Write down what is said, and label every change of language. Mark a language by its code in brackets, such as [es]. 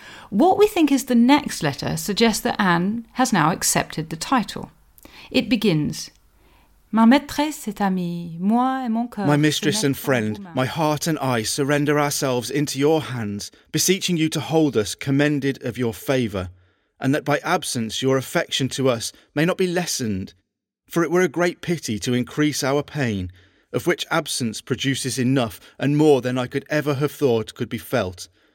[en] What we think is the next letter suggests that Anne has now accepted the title. It begins, [fr] Ma maîtresse et amie, moi et mon cœur. [en] My mistress and friend, my heart and I surrender ourselves into your hands, beseeching you to hold us commended of your favour, and that by absence your affection to us may not be lessened. For it were a great pity to increase our pain, of which absence produces enough and more than I could ever have thought could be felt.